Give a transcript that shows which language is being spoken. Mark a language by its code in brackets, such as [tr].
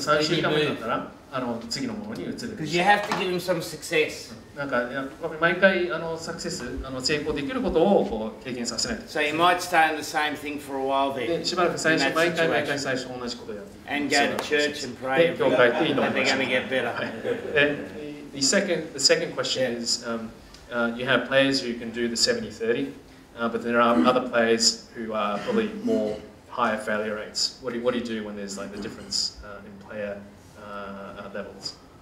[ja] 3週間経ったら次のものに移る。 [en] Because you have to give them some success. [ja] なんか毎回サクセス成功できることをこう経験させない。 [en] So you might stay on the same thing for a while then. [ja] しばらく最初毎回最初同じことをやって。 [en] And go to church and pray. [ja] 教会行っていいと思います。 [en] And they're going to get better. The second question is, you have players who can do the 70-30, but there are other players who are probably more higher failure rates. What do you do when there's like the difference in player levels?